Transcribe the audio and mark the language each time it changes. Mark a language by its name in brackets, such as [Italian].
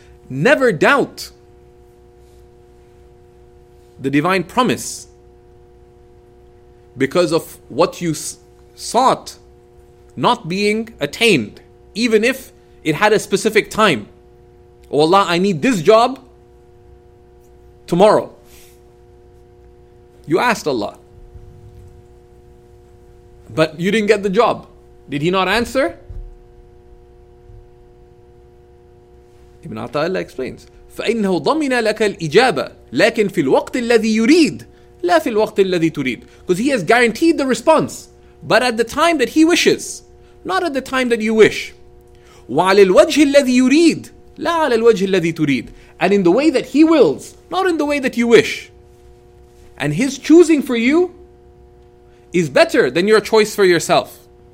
[English] Never doubt the divine promise because of what you sought not being attained, even if it had a specific time. Oh Allah, I need this job tomorrow. You asked Allah, but you didn't get the job. Did He not answer? Ibn Ata'illah explains, [Arabic] فَإِنَّهُ ضَمِّنَ لَكَ الْإِجَابَةِ لَكِنْ فِي الْوَقْتِ الَّذِي يُرِيدُ لَا فِي الْوَقْتِ الَّذِي تُرِيدُ. [English] Because He has guaranteed the response, but at the time that He wishes, not at the time that you wish. [Arabic] وَعَلِ الْوَجْهِ الَّذِي يُرِيدُ لَا عَلَى الْوَجْهِ الَّذِي تُرِيدُ. [English] And in the way that He wills, not in the way that you wish. And His choosing for you is better than your choice for yourself.